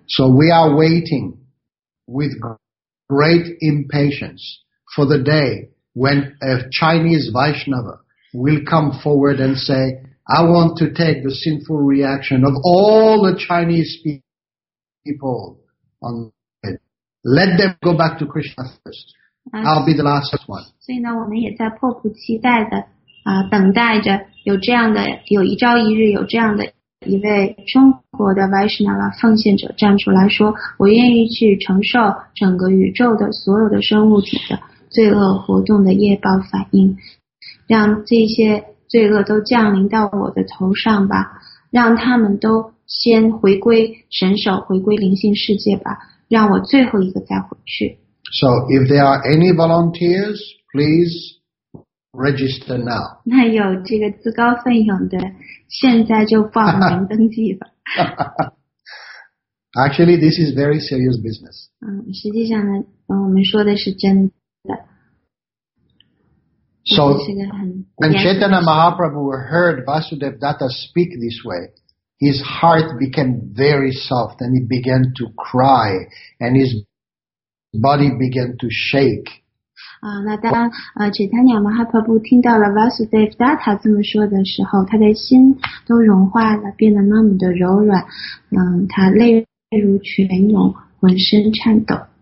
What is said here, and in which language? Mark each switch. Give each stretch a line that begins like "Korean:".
English: So we are waiting with great impatience for the day. When a Chinese Vaishnava will come forward and say, I want to take the sinful reaction of all the Chinese people on it. Let them go back to Krishna first. I'll be the last one.
Chinese: 所以呢，我们也在迫不及待的等待着有这样的有一朝一日有这样的一位中国的 Vaishnava 奉献者站出来说，我愿意去承受整个宇宙的所有的生物体的。罪恶活动的业报反应，让这些罪恶都降临到我的头上吧，让他们都先回归神手，回归灵性世界吧，让我最后一个再回去。
English: So if there are any volunteers, please register now.
Chinese: 那有这个自告奋勇的现在就报名登记吧。
English: Actually, this is very serious business.
Chinese: 实际上呢，我们说的是真的。
English: So, when Chaitanya Mahaprabhu heard Vasudev Datta speak this way, his heart became very soft and he began to cry and his body began to shake.
Chinese: 那当Chaitanya Mahaprabhu 听到了 Vasudev Datta 这么说的时候，他的心都融化了，变得那么的柔软，他泪如泉涌，浑身颤抖。